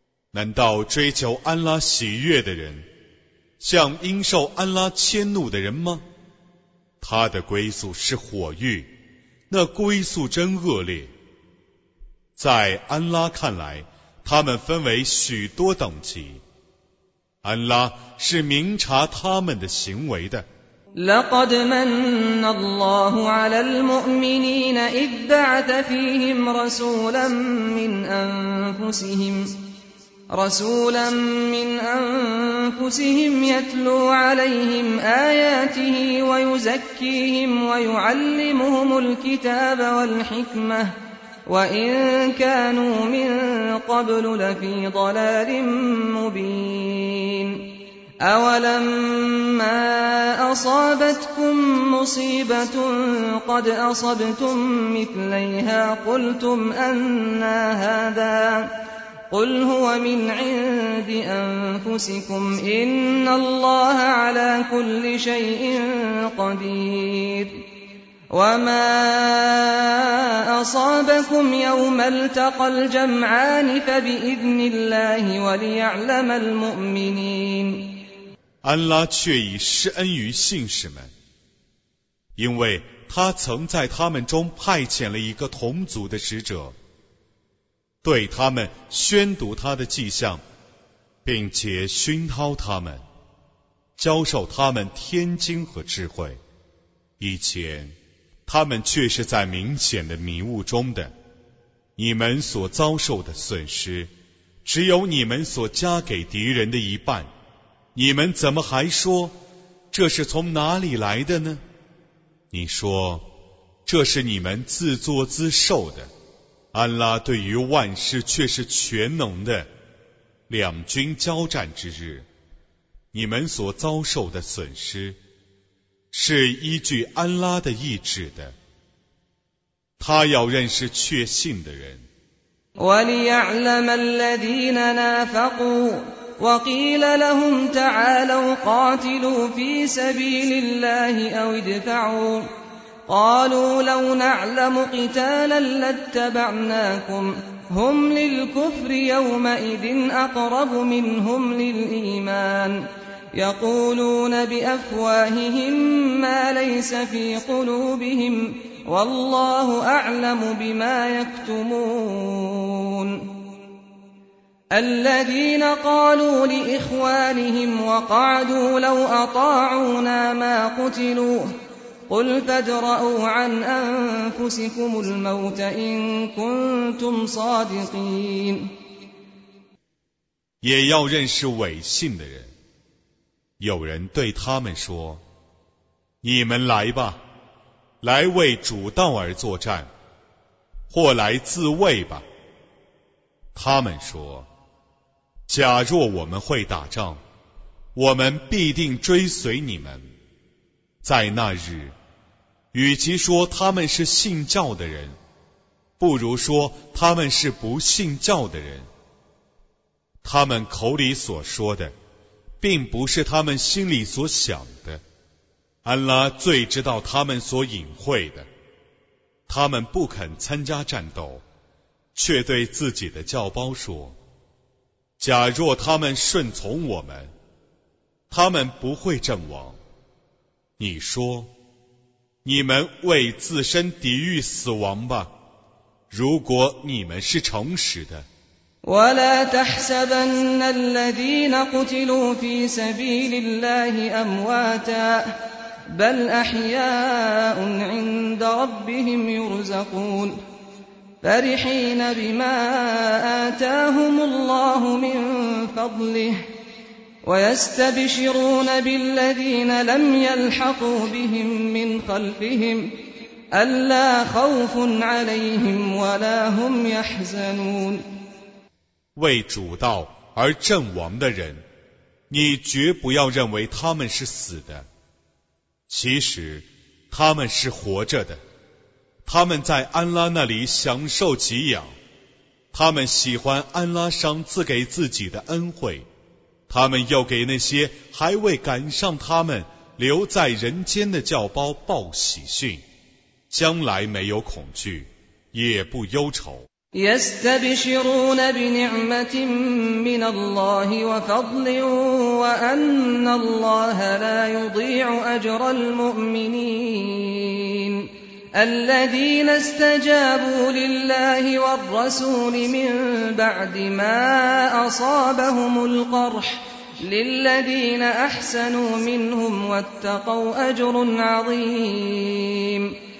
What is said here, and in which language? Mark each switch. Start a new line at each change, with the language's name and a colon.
Chinese: 难道追求安拉喜悦的人，像应受安拉迁怒的人吗？他的归宿是火狱，那归宿真恶劣。在安拉看来，他们分为许多等级，安拉是明察他们的行为的。
Arabic: لقد من الله على المؤمنين إذ بعث فيهم رسولا من أنفسهم يتلو عليهم آياته ويزكيهم ويعلمهم الكتاب والحكمةوَإِنْ كَانُوا مِنْ قَبْلُ لَفِي ضَلَالٍ مُبِينٍ أَوَلَمَّا أَصَابَتْكُمْ مُصِيبَةٌ قَدْ أَصَبْتُمْ مِثْلَيْهَا قُلْتُمْ أَنَّا هَذَا قُلْ هُوَ مِنْ عِنْدِ أَنفُسِكُمْ إِنَّ اللَّهَ عَلَى كُلِّ شَيْءٍ قَدِيرٌوما أصابكم يوم التقى الجمعان فبإذن الله وليعلم المؤمنين
Chinese: 安拉却已施恩于信士们，因为他曾在他们中派遣了一个同族的使者，对他们宣读他的迹象，并且熏陶他们，教授他们天经和智慧，以前他们却是在明显的迷雾中的。你们所遭受的损失只有你们所加给敌人的一半，你们怎么还说这是从哪里来的呢？你说这是你们自作自受的。安拉对于万事却是全能的。两军交战之日，你们所遭受的损失是依据安拉的意志的，他要认识确信的人。
Arabic: وليعلم الذين نافقوا وقيل لهم تعالوا قاتلوا في سبيل الله أو ادفعوا قالوا لو نعلم قتالا لاتبعناكم هم للكفر يومئذ أقرب منهم للإيمان يقولون بأفواههم ما ليس في قلوبهم والله أعلم بما يكتمون الذين قالوا لإخوانهم وقعدوا لو أطاعونا ما قتلوا قل فادرءوا عن أنفسكم الموت إن كنتم صادقين
Chinese: 也要认识伪信的人有人对他们说你们来吧来为主道而作战或来自卫吧他们说假若我们会打仗我们必定追随你们在那日与其说他们是信教的人不如说他们是不信教的人他们口里所说的并不是他们心里所想的安拉最知道他们所隐晦的他们不肯参加战斗却对自己的教胞说假若他们顺从我们他们不会阵亡你说你们为自身抵御死亡吧如果你们是诚实的
Arabic: ولا تحسبن الذين قتلوا في سبيل الله أمواتا بل أحياء عند ربهم يرزقون فرحين بما آتاهم الله من فضله ويستبشرون بالذين لم يلحقوا بهم من خلفهم ألا خوف عليهم ولا هم يحزنون
Chinese: 为主道而阵亡的人你绝不要认为他们是死的其实他们是活着的他们在安拉那里享受给养他们喜欢安拉赏赐给自己的恩惠他们又给那些还未赶上他们留在人间的教胞报喜讯将来没有恐惧也不忧愁
Arabic: يستبشرون بنعمة من الله وفضل وأن الله لا يضيع أجر المؤمنين الذين استجابوا لله والرسول من بعد ما أصابهم القرح للذين أحسنوا منهم واتقوا أجر عظيم